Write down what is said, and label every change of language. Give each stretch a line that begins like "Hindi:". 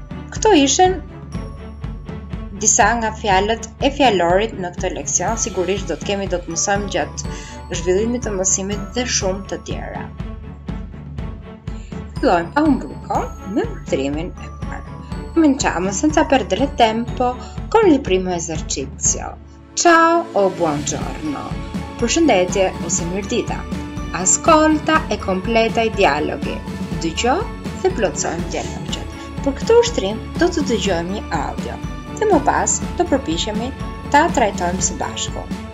Albanian: Këto ishen disa nga fjalët e fjalorit në këtë leksion. Sigurisht do të kemi do të mësojmë gjatë zhvillimit të mësimit dhe shumë të tjera. Fillojmë pa humbur kohë me urdhrimin e parë.
Italian: Cominciamo senza perdere tempo con il primo esercizio. Ciao o buongiorno.
Albanian: Përshëndetje ose mirëdita.
Italian: Ascolta e completa i dialoghi.
Albanian: Dëgjo dhe plotësojmë dialogjet. Për këtë ushtrim, do të dëgjojmë një audio. dhe më pas të përpiqemi ta trajtojmë së bashku.